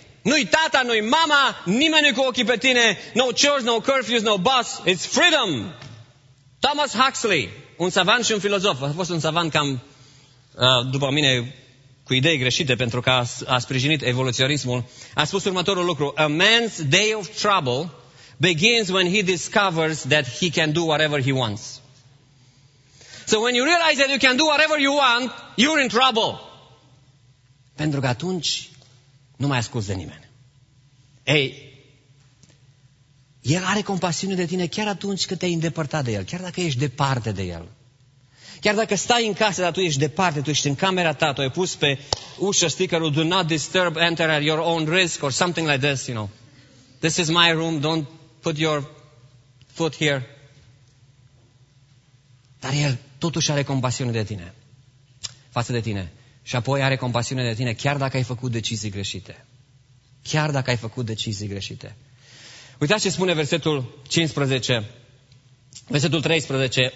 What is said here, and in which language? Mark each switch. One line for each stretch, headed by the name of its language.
Romanian: Nu-i tata, nu-i mama, nimeni cu ochii pe tine.
English: No chores, no curfews, no bus. It's freedom.
Romanian: Thomas Huxley, un savant și un filozof. A fost un savant cam, după mine, cu idei greșite, pentru că a sprijinit evoluționismul. A spus următorul lucru.
English: A man's day of trouble begins when he discovers that he can do whatever he wants. So when you realize that you can do whatever you want, you're in trouble.
Romanian: Pentru că atunci nu mai asculți de nimeni. Ei, el are compasiune de tine chiar atunci când te-ai îndepărtat de el, chiar dacă ești departe de el. Chiar dacă stai în casă, dar tu ești departe, tu ești în camera ta, tu ai pus pe ușă stickerul
English: do not disturb, enter at your own risk or something like this, you know. This is my room, don't put your foot here.
Romanian: Dar el totuși are compasiune de tine, față de tine. Și apoi are compasiune de tine chiar dacă ai făcut decizii greșite. Chiar dacă ai făcut decizii greșite. Uitați ce spune versetul 15, versetul 13.